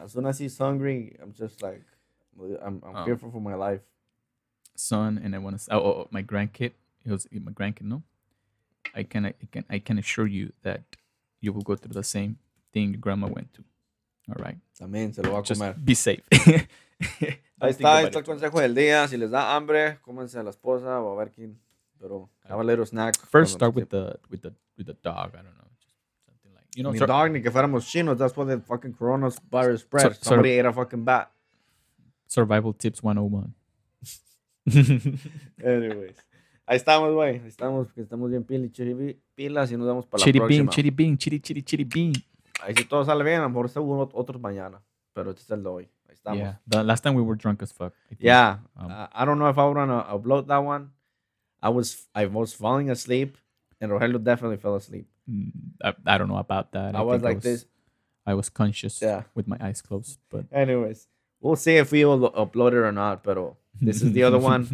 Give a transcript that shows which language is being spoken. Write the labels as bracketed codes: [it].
[en] As soon as he's hungry, I'm just like, I'm fearful for my life. Son, and I want to. Oh, my grandkid. He was my grandkid. No, I can assure you that you will go through the same thing your grandma went to. All right. [es] También se lo va a comer. [en] Just be safe. [es] Ahí está, ahí está el consejo del día. Si les da hambre, cómense a la esposa o a ver quién. Pero [en] have a little snack. First, start with the dog. I don't know. Something like, you know, [es] ni dog ni que fuéramos chinos. [en] That's why the fucking coronavirus spread. Somebody ate a fucking bat. Survival tips 101. [es] Anyways. Ahí estamos, güey. Ahí estamos, porque estamos bien pilas y nos vamos para la próxima. Chiri bing, chiri bing, chiri chiri bing. Ahí si todo sale bien, a lo mejor se hubo otros mañana. Pero este es el de hoy. Ahí estamos. [en] Yeah. The last time we were drunk as fuck. I don't know if I would want to upload that one. I was falling asleep, and Rogelio definitely fell asleep. I don't know about that. I was like this. I was conscious with my eyes closed. But anyways, we'll see if we will upload it or not. Pero this is the other one.